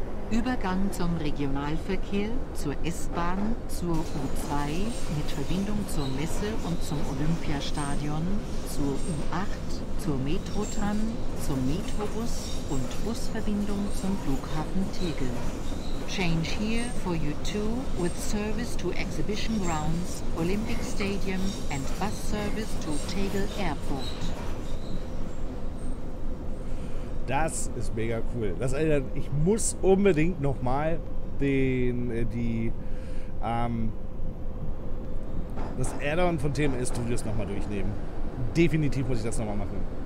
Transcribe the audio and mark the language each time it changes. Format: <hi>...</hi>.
<de>Übergang zum Regionalverkehr, zur S-Bahn, zur U2 mit Verbindung zur Messe und zum Olympiastadion, zur U8, zur Metrotram, zum Metrobus und Busverbindung zum Flughafen Tegel.</de> <en>Change here for U2 with service to Exhibition Grounds, Olympic Stadium and bus service to Tegel Airport.</en> <de>Das ist mega cool. Das erinnert, ich muss unbedingt nochmal das Add-on von TMS Studios nochmal durchnehmen. Definitiv muss ich das nochmal machen.</de>